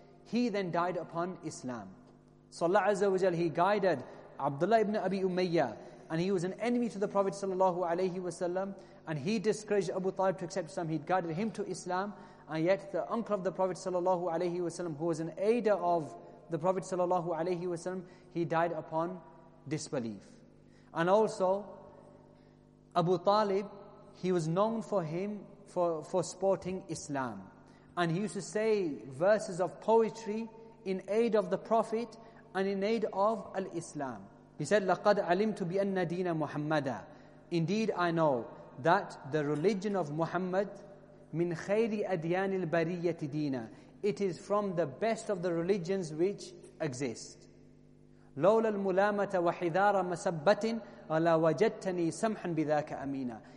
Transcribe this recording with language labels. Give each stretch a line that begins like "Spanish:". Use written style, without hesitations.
English: He then died upon Islam. So Allah Azza wa Jal, he guided Abdullah ibn Abi Umayyah, and he was an enemy to the Prophet sallallahu alaihi wasallam, and he discouraged Abu Talib to accept Islam. He guided him to Islam, and yet the uncle of the Prophet sallallahu alaihi wasallam, who was an aider of the Prophet sallallahu alaihi wasallam, he died upon disbelief. And also, Abu Talib, he was known for him for supporting Islam. And he used to say verses of poetry in aid of the Prophet and in aid of al-Islam. He said,
Arabic: لَقَدْ عَلِمْتُ بِأَنَّ دِينَ مُحَمَّدًا.
English: Indeed, I know that the religion of Muhammad,
Arabic: مِنْ خَيْرِ أَدْيَانِ الْبَرِيَّةِ دِينَ.
English: It is from the best of the religions which exist.
Arabic: لَوْلَ الْمُلَامَةَ وَحِذَارَ مَسَبَّةٍ أَلَا وَجَدْتَنِي سَمْحًا بِذَاكَ أَمِينًا.